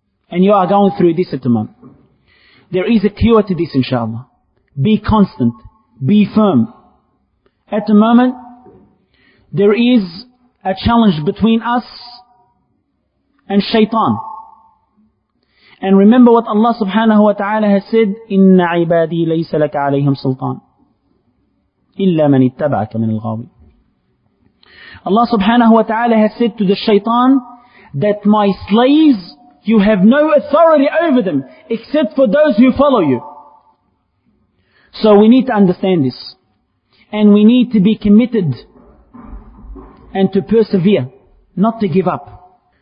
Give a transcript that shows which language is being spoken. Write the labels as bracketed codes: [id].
[en] And you are going through this at the moment. There is a cure to this, inshallah. Be constant. Be firm. At the moment, there is a challenge between us and shaitan. And remember what Allah subhanahu wa ta'ala has said, [ar] إِنَّ عِبَادِي لَيْسَ لَكَ عَلَيْهِمْ سُلْطَانٌ إِلَّا مَنِ اتَّبَعَكَ مِنَ الْغَاوِينَ. [en] Allah subhanahu wa ta'ala has said to the shaitan that my slaves, you have no authority over them except for those who follow you. So we need to understand this. And we need to be committed and to persevere, not to give up.